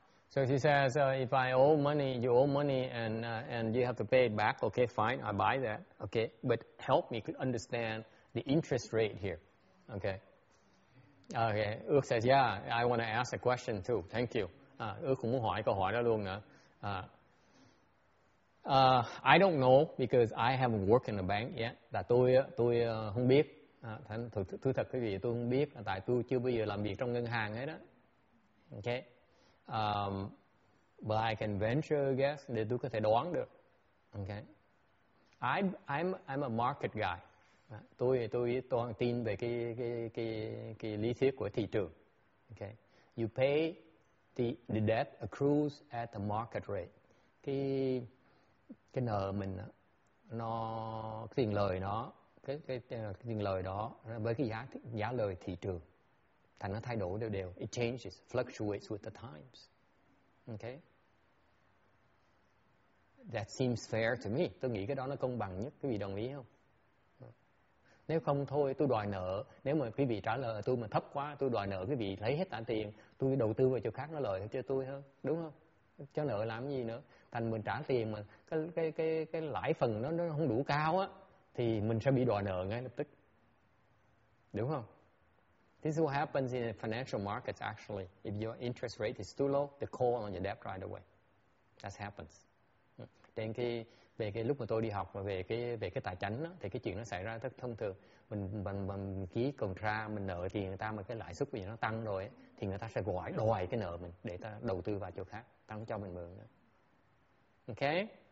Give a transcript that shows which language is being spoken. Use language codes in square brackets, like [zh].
[en] So she says, if I owe money, you owe money, and you have to pay it back, okay, fine, I buy that, okay, but help me understand the interest rate here, okay. Okay, Ước says, yeah, I want to ask a question too, thank you. [vi] Ước cũng muốn hỏi câu hỏi đó luôn nữa. [en] I don't know, because I haven't worked in a bank yet, [vi] là tôi không biết, thú thật quý vị, tôi không biết, tại tôi chưa bao giờ làm việc trong ngân hàng hết đó, okay. [en] But I can venture a guess. [vi] Để tôi có thể đoán được. [en] Okay. I'm a market guy. [vi] Tôi toàn tin về cái lý thuyết của thị trường. [en] Okay. You pay the debt accrues at the market rate. [vi] Cái nợ mình nó tiền lời nó cái tiền lời đó với cái giá lời thị trường. Thành nó thay đổi đều. [en] It changes, fluctuates with the times. Okay. That seems fair to me. [vi] Tôi nghĩ cái đó nó công bằng nhất. Quý vị đồng ý không? Nếu không thôi, tôi đòi nợ. Nếu mà quý vị trả lời tôi mà thấp quá, tôi đòi nợ quý vị lấy hết cả tiền. Tôi đầu tư vào chỗ khác nó lợi cho tôi hơn. Đúng không? Cho nợ làm gì nữa? Thành mình trả tiền mà cái lãi phần nó không đủ cao á, thì mình sẽ bị đòi nợ ngay lập tức. Đúng không? [en] This is what happens in financial markets, actually. If your interest rate is too low, they call on your debt right away. That happens. [vi] Trên cái, về cái lúc mà tôi đi học mà về cái tài chánh đó, thì cái chuyện nó xảy ra rất thông thường. Mình ký contract, mình nợ tiền người ta mà cái lãi suất bây giờ nó tăng rồi, ấy, thì người ta sẽ gọi đòi cái nợ mình để ta đầu tư vào chỗ khác, tăng cho mình mượn. Okay?